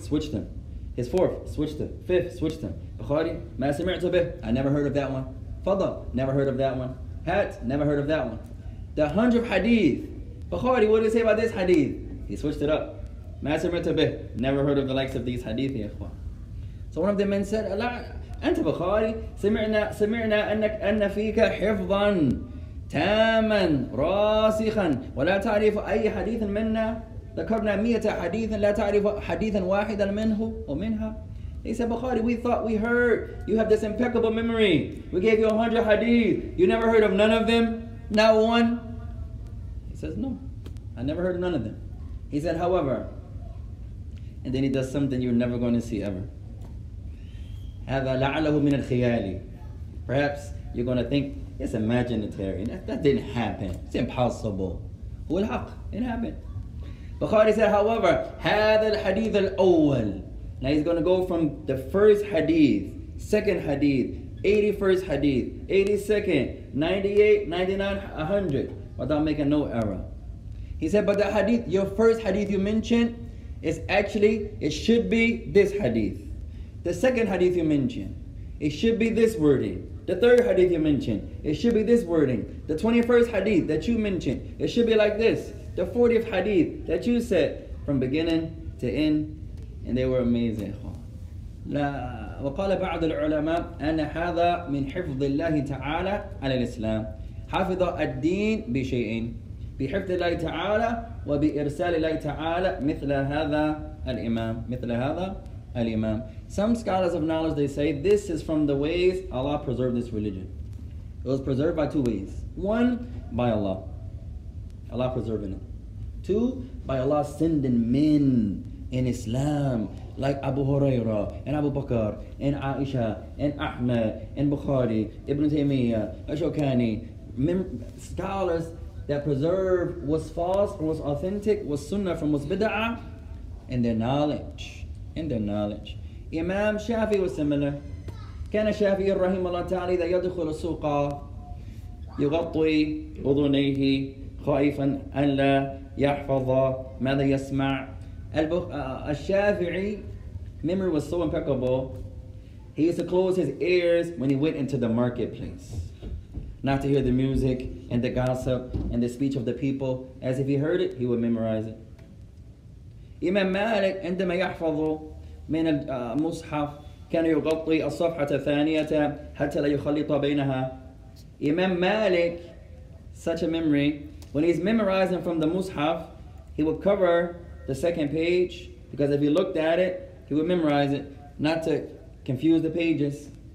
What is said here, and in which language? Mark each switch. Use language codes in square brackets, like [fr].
[en] Switched him. His fourth, switched him. Fifth, switched him. Bukhari, [ar] ما سمعت به. [en] I never heard of that one. Fadal, never heard of that one. Hat, never heard of that one. The 100th hadith. Bukhari, what do you say about this hadith? He switched it up. [ar] ما سمعت به. [en] Never heard of the likes of these hadith, يا أخوان. So one of the men said, [ar] Allah, أنت بخاري, سمعنا أنك أن فيك حفظا تاما راسخا ولا تعرف أي حديث منا. ذكرنا مية حديث لا تعرف حديثا واحدا منه أو منها. [en] He said, بخاري, we thought, we heard, you have this impeccable memory. We gave you 100 hadith. You never heard of none of them? Not one? He says, no, I never heard of none of them. He said, however, and then he does something you're never going to see ever. [ar] هذا لعله من الخيال. [en] Perhaps you're going to think, it's imaginary. That didn't happen. It's impossible. [ar] هو الحق. [en] It happened. Bukhari said, however, [ar] هذا الحديث الأول. [en] Now he's going to go from the first hadith, second hadith, 81st hadith, 82nd, 98, 99, 100, without making no error. He said, but the hadith, your first hadith you mentioned, is actually, it should be this hadith. The second hadith you mentioned, it should be this wording. The third hadith you mentioned, it should be this wording. The 21st hadith that you mentioned, it should be like this. The 40th hadith that you said from beginning to end, and they were amazing. [ar] وقال بعض العلماء أن هذا من حفظ الله تعالى على الإسلام. حفظ الدين بشيء بحفظ الله تعالى وبإرسال الله تعالى مثل هذا الإمام مثل هذا al-Imam. [en] Some scholars of knowledge, they say this is from the ways Allah preserved this religion. It was preserved by two ways. One, by Allah. Allah preserving it. Two, by Allah sending men in Islam, like Abu Huraira, and Abu Bakr, and Aisha, and Ahmed, and Bukhari, Ibn Taymiyyah, Ashokani, scholars that preserve what's false from what's authentic, what's sunnah from what's bid'ah, and their knowledge, and their knowledge. Imam Shafi was similar. [ar] كان شافعي رحمه الله تعالى إذا يدخل السوق يغطي أذنيه خائفا أن لا يحفظ ماذا يسمع. [en] الشافعي memory was so impeccable. He used to close his ears when he went into the marketplace, not to hear the music and the gossip and the speech of the people. As if he heard it, he would memorize it. [ar] Imam Malik عندما يحفظ من المصحف كان يغطي الصفحة الثانية حتى لا يخلط بينها. [en] Imam Malik, such a memory, when he's memorizing from the Mus'haf, he would cover the second page, because if he looked at it, he would memorize it, not to confuse the pages.